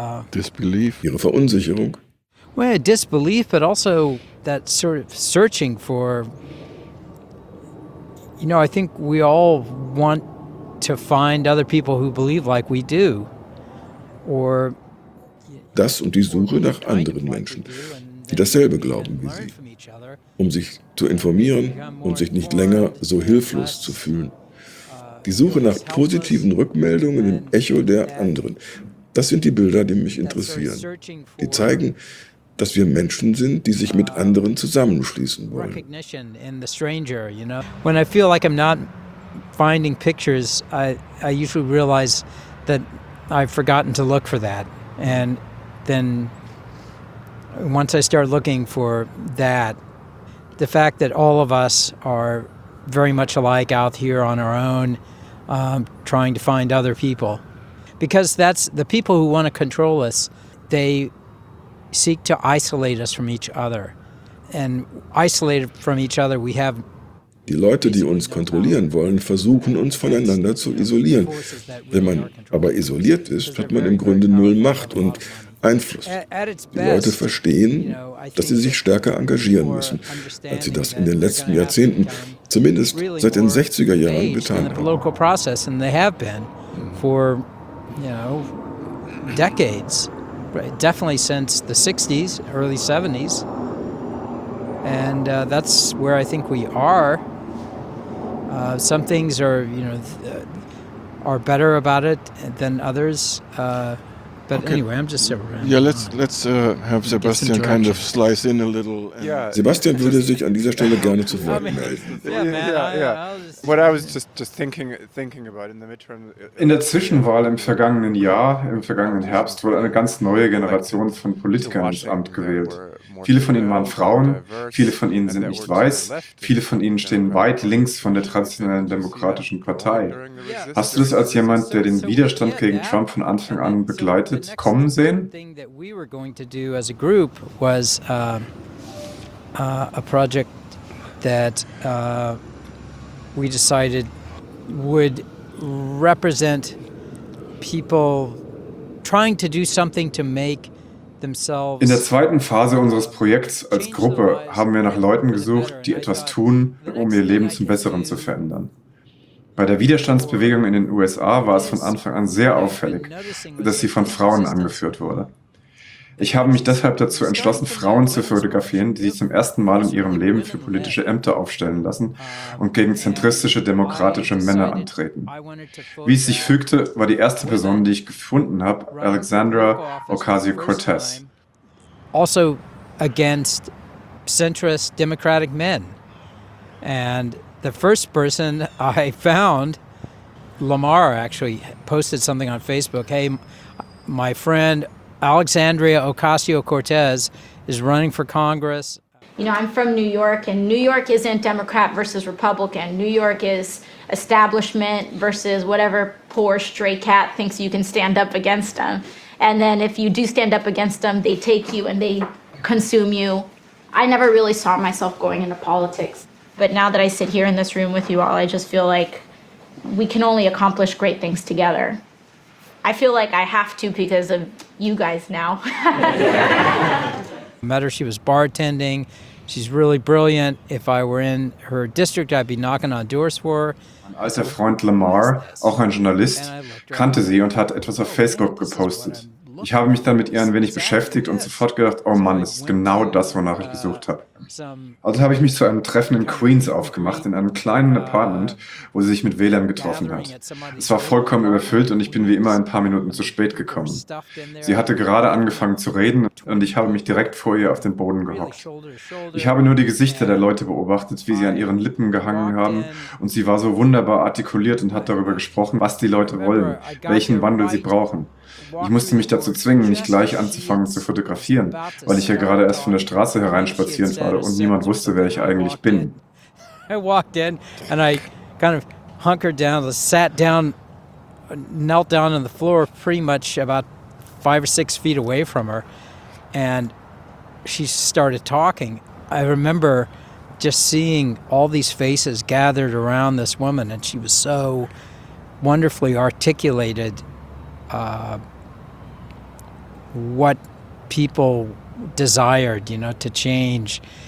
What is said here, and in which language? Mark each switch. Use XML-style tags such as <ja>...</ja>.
<en>disbelief,</en> <de>ihre Verunsicherung.</de> <en>Well, disbelief, but also that sort of searching for, you know, I think we all want to find other people who believe like we do, or</en> <de>das und die Suche nach anderen Menschen, die dasselbe glauben wie sie, um sich zu informieren und sich nicht länger so hilflos zu fühlen. Die Suche nach positiven Rückmeldungen im Echo der anderen. Das sind die Bilder, die mich interessieren. Die zeigen, dass wir Menschen sind, die sich mit anderen zusammenschließen wollen.</de> <en>Recognition in the stranger, you know. When I feel like I'm not finding pictures, I usually realize that I've forgotten to look for that. And then once I start looking for that, the fact that all of us are very much alike out here on our own, trying to find other people. Because that's the people who want to control us, they seek to isolate us from each other, and isolated from each other, we have.</en> <de>Die Leute, die uns kontrollieren wollen, versuchen uns voneinander zu isolieren. Wenn man aber isoliert ist, hat man im Grunde null Macht und Einfluss. Die Leute verstehen, dass sie sich stärker engagieren müssen, als sie das in den letzten Jahrzehnten, zumindest seit den 60er Jahren, getan haben.</de> <en>Definitely since the 60s, early 70s. And that's where I think we are. Some things are, you know, are better about it than others. Ja, let's have Sebastian kind of slice in a little.</en> <de>Sebastian würde sich an dieser Stelle gerne zu Wort melden.</de> <en>What I was just thinking about in the midterm.</en> <de>In der Zwischenwahl im vergangenen Jahr, im vergangenen Herbst, wurde eine ganz neue Generation von Politikern ins Amt gewählt. Viele von ihnen waren Frauen, viele von ihnen sind nicht weiß, viele von ihnen stehen weit links von der traditionellen demokratischen Partei. Hast du das als jemand, der den Widerstand gegen Trump von Anfang an begleitet, kommen sehen?</de> <en>The thing that we were going to do as a group was a project that we decided would represent people trying to do something to make themselves.</en> <de>In der zweiten Phase unseres Projekts als Gruppe haben wir nach Leuten gesucht, die etwas tun, um ihr Leben zum Besseren zu verändern. Bei der Widerstandsbewegung in den USA war es von Anfang an sehr auffällig, dass sie von Frauen angeführt wurde. Ich habe mich deshalb dazu entschlossen, Frauen zu fotografieren, die sich zum ersten Mal in ihrem Leben für politische Ämter aufstellen lassen und gegen zentristische demokratische Männer antreten. Wie es sich fügte, war die erste Person, die ich gefunden habe, Alexandra Ocasio-Cortez.</de> <en>Also against centrist democratic men. And the first person I found, Lamar, actually posted something on Facebook. Hey, my friend Alexandria Ocasio-Cortez is running for Congress. You know, I'm from New York, and New York isn't Democrat versus Republican. New York is establishment versus whatever poor stray cat thinks you can stand up against them. And then if you do stand up against them, they take you and they consume you. I never really saw myself going into politics. But now that I sit here in this room with you all, I just feel like we can only accomplish great things together. I feel like I have to because of you guys now. Met her, she was bartending. She's really brilliant. If I were in her district, I'd be knocking on doors for her.</en> <de>Mein alter Freund Lamar, auch ein Journalist, kannte sie und hat etwas auf Facebook gepostet. Ich habe mich dann mit ihr ein wenig beschäftigt und sofort gedacht, oh Mann, es ist genau das, wonach ich gesucht habe. Also habe ich mich zu einem Treffen in Queens aufgemacht, in einem kleinen Apartment, wo sie sich mit WLAN getroffen hat. Es war vollkommen überfüllt und ich bin wie immer ein paar Minuten zu spät gekommen. Sie hatte gerade angefangen zu reden und ich habe mich direkt vor ihr auf den Boden gehockt. Ich habe nur die Gesichter der Leute beobachtet, wie sie an ihren Lippen gehangen haben und sie war so wunderbar artikuliert und hat darüber gesprochen, was die Leute wollen, welchen Wandel sie brauchen. Ich musste mich dazu zwingen, nicht gleich anzufangen zu fotografieren, weil ich ja gerade erst von der Straße hereinspazieren war und niemand wusste, wer ich eigentlich bin.</de> <en>I walked in and I kind of hunkered down, sat down, knelt down on the floor pretty much about 5 or 6 feet away from her and she started talking. I remember just seeing all these faces gathered around this woman and she was so wonderfully articulated what people desired, you know, to change.</en>